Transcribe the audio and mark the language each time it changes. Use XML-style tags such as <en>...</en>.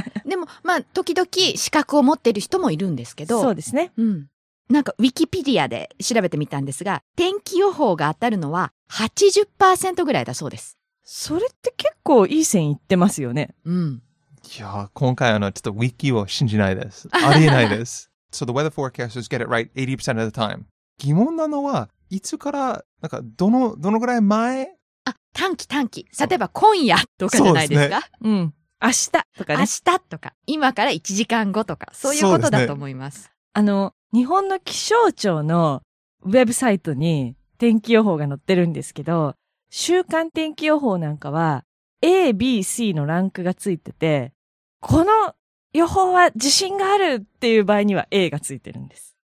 <ja>でも、まあ、時々資格を持っている人もいるんですけど。そうですね。うん。なんかウィキペディアで調べてみたんですが、天気予報が当たるのは 80% ぐらいだそうです。それって結構いい線いってますよね。うん。いや、今回ちょっとウィキを信じないです。ありえないです。</ja> <en>So the weather forecasters get it right 80% of the time.</en> <ja>疑問なのは、いつから、なんかどのぐらい前? あ、短期。例えば今夜とかじゃないですか。そうですね。うん。明日とかね。明日とか。今から1時間後とか。そういうことだと思います。日本の気象庁のウェブサイトに天気予報が載ってるんですけど、週間天気予報なんかは A、B、C のランクがついてて、この予報は自信があるっていう場合には A がついてるんです。</ja>